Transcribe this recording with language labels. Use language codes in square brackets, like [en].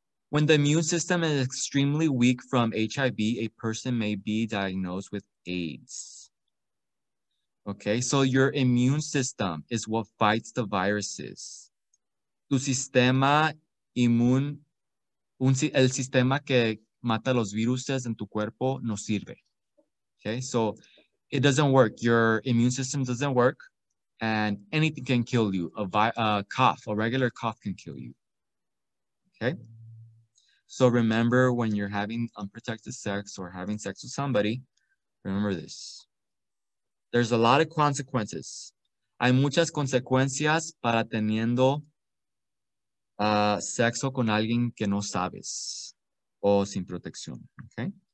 [en] When the immune system is extremely weak from HIV, a person may be diagnosed with AIDS. Okay, so your immune system is what fights the viruses. [es] Tu sistema inmune, el sistema que mata los viruses en tu cuerpo no sirve. [en] Okay, so it doesn't work. Your immune system doesn't work and anything can kill you. A regular cough can kill you. Okay, so remember when you're having unprotected sex or having sex with somebody, remember this. There's a lot of consequences. [es] Hay muchas consecuencias para teniendo sexo con alguien que no sabes o sin protección, okay?